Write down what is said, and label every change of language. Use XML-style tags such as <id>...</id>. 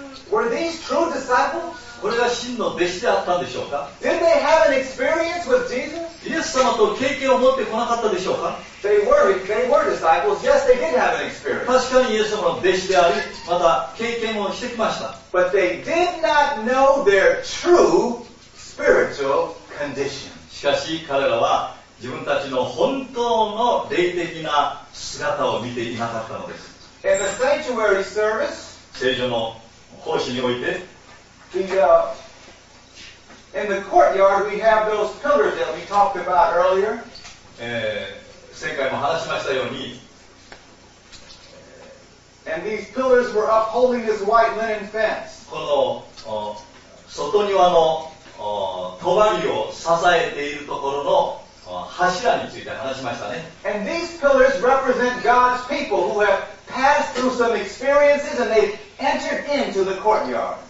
<en>Were these true disciples?</en> <ja>これが真の弟子であったんでしょうか。</ja> <en>Did they have an experience with Jesus?</en> <ja>イエス様と経験を持ってこなかったでしょうか。</ja> <en>They were disciples. Yes, they did have an experience.</en> <ja>確かにイエス様の弟子であり、また経験をしてきました。</ja> <en>But they did not know their true spiritual condition.</en> <ja>しかし彼らは自分たちの本当の霊的な姿を見ていなかったのです。</ja> <en>In the sanctuary service,</en> <ja>聖所の奉仕において、</ja> <en>in the courtyard we have those pillars that we talked about earlier.</en> <ja>前回も話しましたように、</ja> <en>And these pillars were upholding this white linen fence.</en> <ja>この外庭の帳を支えているところの柱について話しましたね。</ja> <en>And these pillars represent God's people who have passed through some experiences and they've entered into the courtyard.</en>